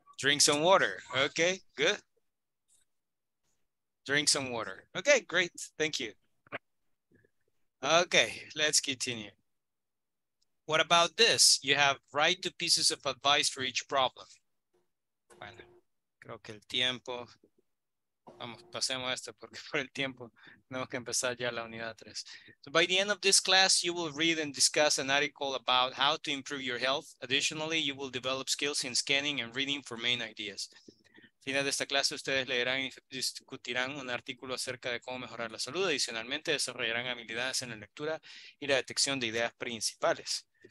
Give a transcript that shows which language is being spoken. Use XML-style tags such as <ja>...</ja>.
<en>Drink some water. Okay, good. Drink some water. Okay, great. Thank you. Okay, let's continue. What about this? You have write two pieces of advice for each problem.</en> <es>Bueno, creo que el tiempo. Vamos, pasemos esto porque por el tiempo tenemos que empezar ya la unidad 3.</es> <en>So by the end of this class, you will read and discuss an article about how to improve your health. Additionally, you will develop skills in scanning and reading for main ideas.</en> <es>Al final de esta clase, ustedes leerán y discutirán un artículo acerca de cómo mejorar la salud. Adicionalmente, desarrollarán habilidades en la lectura y la detección de ideas principales.</es>